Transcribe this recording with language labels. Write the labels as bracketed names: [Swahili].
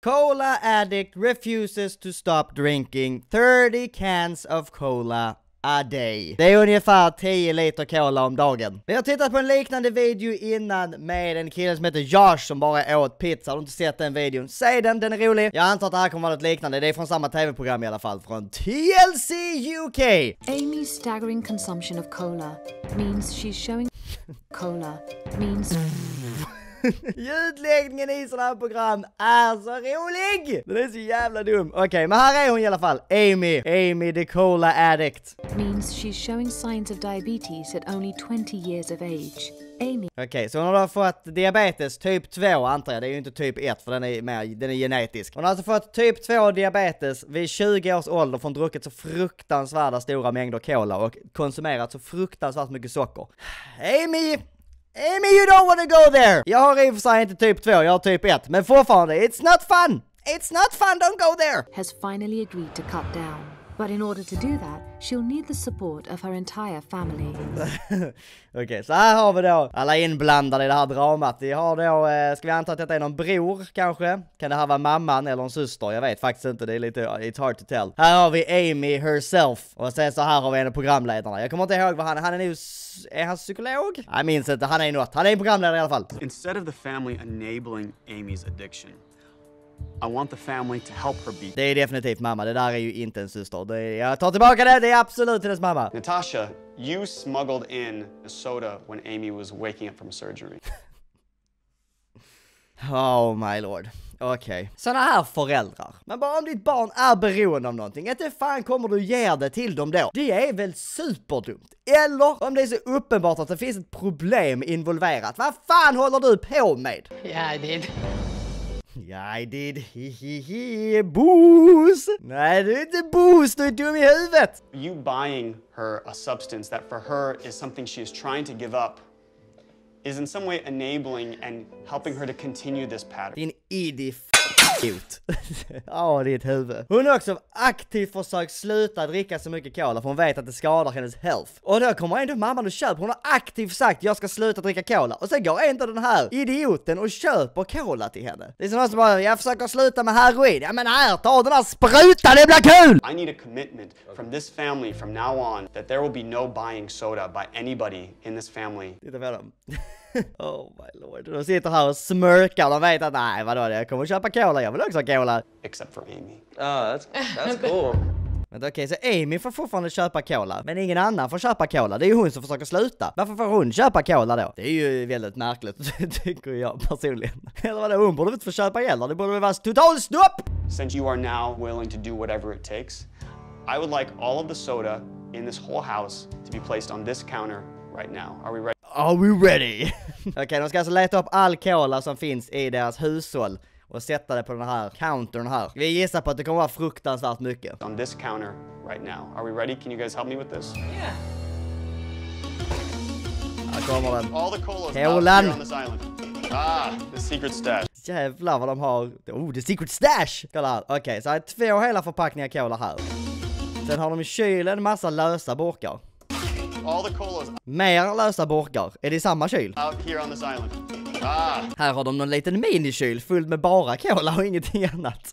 [English] Cola addict refuses to stop drinking 30 cans of cola a day. [Swedish] Det är ungefär 10 liter cola om dagen. Vi har tittat på en liknande video innan med en kille som heter Josh som bara åt pizza. Har du inte sett den videon? Säg den, den är rolig. Jag antar att det här kommer vara något liknande. Det är från samma tv-program i alla fall. Från TLC UK. [English] Amy's staggering consumption of cola means she's showing... Cola means... [Swedish] Ljudläggningen i sådana här program är så rolig. Det är så jävla dum. Okej, men här är hon i alla fall. [English] Amy. Amy the cola addict. Means she's showing signs of diabetes at only 20 years of age. Amy. [Swedish] Okej, så hon har fått diabetes typ 2 antar jag. Det är ju inte typ 1 för den är genetisk. Hon har alltså fått typ 2 diabetes vid 20 års ålder från druckit så fruktansvärda stora mängder cola och konsumerat så fruktansvärt mycket socker. Amy! [English] Amy, you don't want to go there! [Swedish] Jag har i och för sig inte typ 2, jag har typ 1. Men fortfarande, [English] it's not fun! It's not fun, don't go there! ...has finally agreed to cut down. But in order to do that, she'll need the support of her entire family. [Swedish] Okej, så här har vi då alla inblandade i det här dramat. Vi har då, ska vi anta att detta är någon bror, kanske? Kan det här vara mamman eller en syster? Jag vet faktiskt inte, det är lite, [English] it's hard to tell. [Swedish] Här har vi Amy herself. Och sen så här har vi en av programledarna. Jag kommer inte ihåg vad han är nu... Är han psykolog? Jag minns inte, han är något. Han är en programledare i alla fall. [English] Instead of the family enabling Amy's addiction, I want the family to help her be... [Swedish] Det är definitivt mamma. Det där är ju inte en syster. Det är, jag tar tillbaka det. Det är absolut hennes mamma. [English] Natasha, you smuggled in a soda when Amy was waking up from surgery. Oh my lord. [Swedish] Okej. Okay. Såna här föräldrar. Men bara om ditt barn är beroende av någonting, inte fan kommer du ge det till dem då? Det är väl superdumt. Eller om det är så uppenbart att det finns ett problem involverat. Vad fan håller du på med? [English] Yeah, I did. Yeah, I did. Boos. [Swedish] Nej, du är inte boos. Du är dum i huvudet. [English] You buying her a substance that for her is something she is trying to give up is in some way enabling and helping her to continue this pattern. [Swedish] Din idiot. Åh, ditt huvud. Hon har också aktivt försökt sluta dricka så mycket cola för hon vet att det skadar hennes health. Och då kommer ändå mamman och köper. Hon har aktivt sagt jag ska sluta dricka cola. Och sen går ändå den här idioten och köper cola till henne. Det är som någon som bara, jag försöker sluta med heroin. Ja men här, ta den här spruta, det blir kul! [English] I need a commitment from this family from now on that there will be no buying soda by anybody in this family. [Swedish] Titta på dem. [English] Oh my lord, [Swedish] de sitter här och smörkar. De vet att nej, vadå det, jag kommer att köpa cola. Jag vill också ha cola. [English] Except for Amy. That's cool. [Swedish] Men okej, okay, så Amy får fortfarande köpa cola. Men ingen annan får köpa cola. Det är ju hon som försöker sluta. Varför får hon köpa cola då? Det är ju väldigt märkligt, tycker jag personligen. Eller vadå, hon borde inte få köpa heller. Det borde väl vara totalt stopp. [English] Since you are now willing to do whatever it takes, I would like all of the soda in this whole house to be placed on this counter right now. Are we ready? Are we ready? [Swedish] Okej, okay, de ska alltså leta upp all cola som finns i deras hushåll och sätta det på den här countern här. Vi gissar på att det kommer vara fruktansvärt mycket. [English] On this counter right now. Are we ready? Can you guys help me with this? Yeah. [Swedish] Här kommer den. [English] All the cola's here on this island. The secret stash. [Swedish] Jävlar vad de har. [English] Oh, the secret stash! [Swedish] Kolla här. Okej, okay, så här är två hela förpackningar cola här. Sen har de i kylen massa lösa burkar. [English] All the colas. [Swedish] Mer lösa burkar. Är det samma kyl? [English] Out here on this island. [Swedish] Här har de någon liten minikyl fylld med bara cola och ingenting annat.